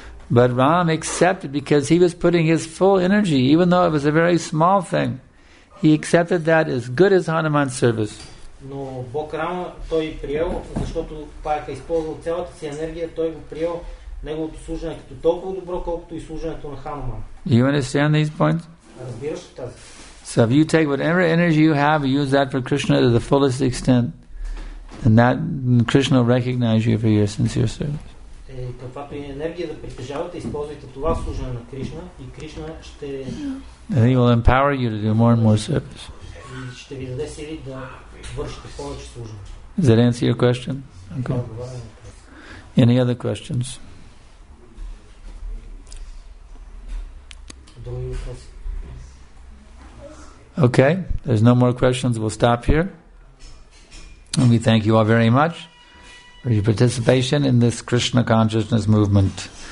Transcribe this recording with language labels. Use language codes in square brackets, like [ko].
[en] But Ram accepted because he was putting his full energy, even though it was a very small thing. He accepted that as good as Hanuman's service. [bg] Но Бог Рам той приел, защото пайка използвал цялата си енергия, той го приел. Неговото служене като толкова добро, колкото и служенето на Хануман. [en] You understand these points? [bg] Разбираш ли тази? [en] So if you take whatever energy you have, use that for Krishna to the fullest extent, and that Krishna will recognize you for your sincere service. [bg] Каквато и енергия да притежавате, използвайте това служене на Кришна и Кришна ще... [en] And He will empower you to do more and more service. [bg] И ще ви даде сили да вършите повече служене. [en] Does that answer your question? Okay. Any other questions? Okay, there's no more questions. We'll stop here. And we thank you all very much for your participation in this Krishna consciousness movement.